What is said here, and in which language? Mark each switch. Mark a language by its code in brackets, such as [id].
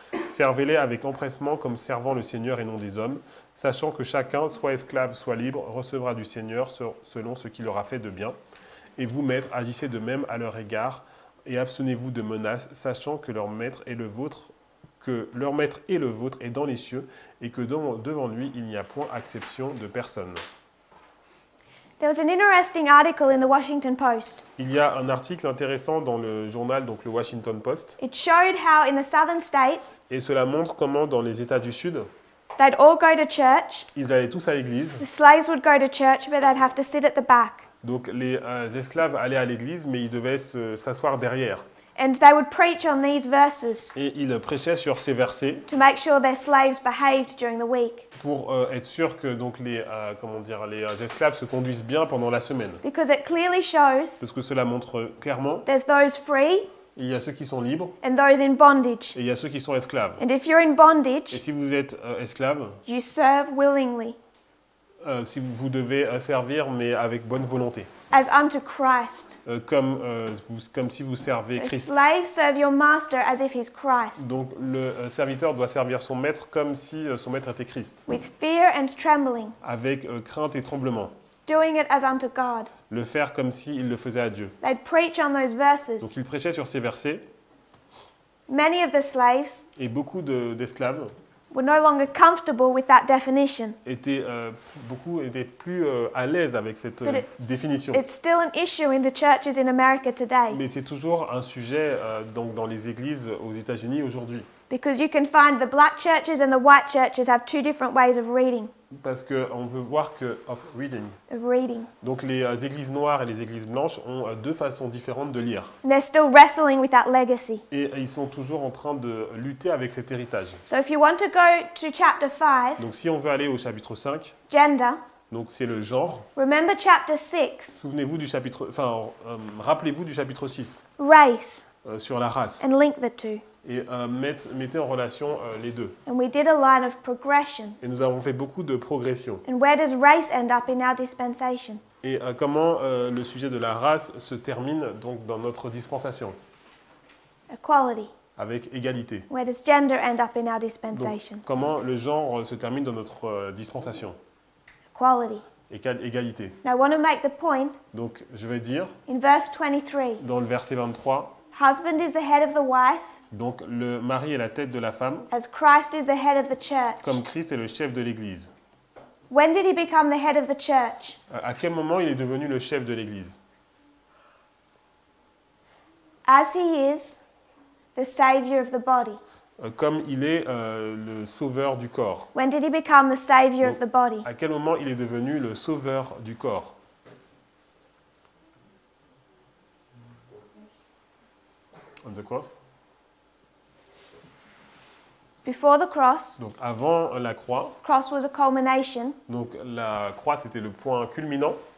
[fr] Servez-les avec empressement, comme servant le Seigneur et non des hommes, sachant que chacun, soit esclave, soit libre, recevra du Seigneur selon ce qu'il aura fait de bien. Et vous, maîtres, agissez de même à leur égard, et abstenez-vous de menaces, sachant que leur maître est le vôtre que leur maître est le vôtre et dans les cieux, et que devant lui, il n'y a point acception de personne. [en] There was an interesting article in the Washington Post. [fr] Il y a un article intéressant dans le journal, donc le Washington Post. [en] It showed how in the southern states, [fr] et cela montre comment dans les États du Sud, [en] they'd all go to church. [fr] Ils allaient tous à l'église. [en] The slaves would go to church, but they'd have to sit at the back. [fr] Donc les esclaves allaient à l'église, mais ils devaient s'asseoir derrière. [en] And they would preach on these verses. [fr] Et ils prêchaient sur ces versets. [en] To make sure their slaves behaved during the week. [fr] Pour être sûr que donc les esclaves se conduisent bien pendant la semaine. [en] Because it clearly shows. [fr] Parce que cela montre clairement. [en] There's those free. [fr] Il y a ceux qui sont libres. [en] And those in bondage. [fr] Et il y a ceux qui sont esclaves. [en] And if you're in bondage. [fr] Et si vous êtes esclave. [en] You serve willingly. [fr] Si vous devez servir, mais avec bonne volonté. [en] As unto Christ. [fr] Comme si vous servez Christ. [en] So slave serve your master as if he's Christ. [fr] Donc le serviteur doit servir son maître comme si son maître était Christ. [en] With fear and trembling. [fr] Avec crainte et tremblement. [en] Doing it as unto God. [fr] Le faire comme si il le faisait à Dieu. [en] They'd preach on those verses. [fr] Donc il prêchait sur ces versets. [en] Many of the slaves. [fr] Et beaucoup d'esclaves. [en] Were no longer comfortable with that definition. [fr] Beaucoup étaient plus à l'aise avec cette définition. [en] It's still an issue in the churches in America today. [fr] Mais c'est toujours un sujet donc dans les églises aux États-Unis aujourd'hui. [en] Because you can find the black churches and the white churches have two different ways of reading. [fr] Parce que on veut voir que [en] of reading. Of reading. [fr] Donc les églises noires et les églises blanches ont deux façons différentes de lire. [en] And they're still wrestling with that legacy. [fr] Et ils sont toujours en train de lutter avec cet héritage. [en] So if you want to go to chapter 5. [fr] Donc si on veut aller au chapitre 5. [en] Gender. [fr] Donc c'est le genre. [en] Remember chapter 6. [fr] Rappelez-vous du chapitre 6. [en] Race. [fr] Sur la race. [en] And link the two. [fr] Et mettez en relation les deux. [en] And we did a line of progression. [fr] Et nous avons fait beaucoup de progression. [en] And where does race end up in our dispensation? [fr] Et comment le sujet de la race se termine donc dans notre dispensation? [en] Equality. [fr] Avec égalité. [en] Where does gender end up in our dispensation? [fr] Donc, comment le genre se termine dans notre dispensation? [en] Equality. [fr] Égalité. [en] Now I want to make the point. [fr] Donc je vais dire. [en] In verse 23. [fr] Dans le verset 23. [en] Husband is the head of the wife. [fr] Donc, le mari est la tête de la femme. [en] As Christ is the head of the church. [fr] Comme Christ est le chef de l'Église. [en] When did he become the head of the church? [fr] À quel moment il est devenu le chef de l'Église? [en] As he is the savior of the body. [fr] Comme il est le sauveur du corps. [en] When did he become the savior of the body? [fr] À quel moment il est devenu le sauveur du corps? [en] On the cross? Before the cross. [fr] Donc avant la croix. [en] Cross was a culmination. [fr] Donc la croix c'était le point culminant.